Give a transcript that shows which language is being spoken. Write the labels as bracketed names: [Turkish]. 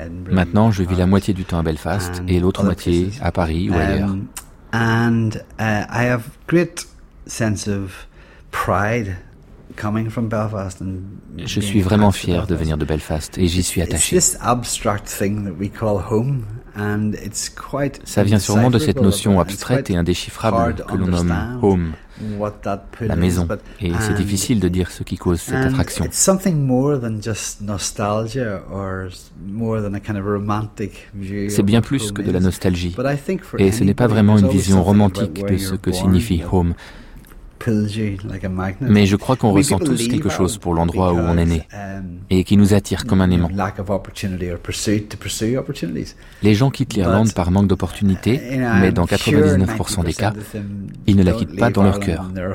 [French] Maintenant, je vis la moitié du temps à Belfast et l'autre moitié à Paris ou ailleurs. [English] I have great sense of pride coming from Belfast. [French] Je suis vraiment fier de venir de Belfast et j'y suis attaché. [English] It's this abstract thing that we call home, and it's quite. [French] Ça vient sûrement de cette notion abstraite et indéchiffrable que l'on nomme home, la maison. Et c'est difficile de dire ce qui cause cette attraction. [English] It's something more than just nostalgia or more than a kind of romantic view. [French] C'est bien plus que de la nostalgie. Et ce n'est pas vraiment une vision romantique de ce que signifie home. Mais je crois qu'on ressent tous quelque chose pour l'endroit où on est né et qui nous attire comme un aimant. Les gens quittent l'Irlande par manque d'opportunités, mais dans 99% des cas, ils ne la quittent pas dans leur cœur.